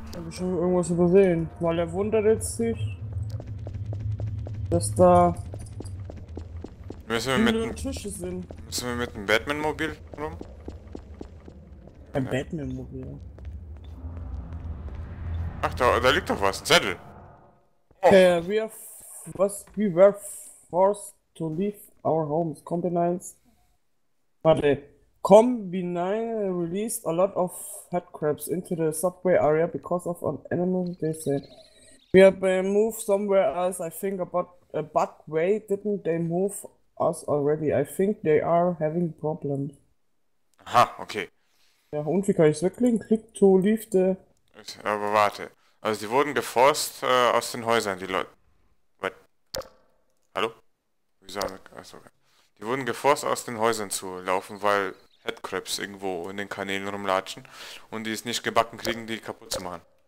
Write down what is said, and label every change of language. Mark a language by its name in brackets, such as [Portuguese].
[German] Hab ich schon irgendwas übersehen, weil er wundert jetzt sich, dass da müssen wir mit und Tische sind. Müssen wir mit dem Batman-Mobil rum? Ein Batman-Mobil? Ach, da liegt doch was, ein Zettel. Oh. [English] Okay, we were forced to leave our homes. Combinance. [German] Warte. [English] Combinance released a lot of headcrabs into the subway area because of an animal they say. We have moved somewhere else, I think, but wait, didn't they move us already? I think they are having problems. [German] Aha, okay. Ja, und wie kann ich es wirklich? [English] Click to leave the. [German] Aber warte. Also die wurden geforst aus den Häusern, die Leute. [English] What? [German] Hallo? Wieso haben wir. Achso, okay. Die wurden geforst aus den Häusern zu laufen, weil Headcrabs irgendwo in den Kanälen rumlatschen und die es nicht gebacken kriegen, die kaputt zu machen.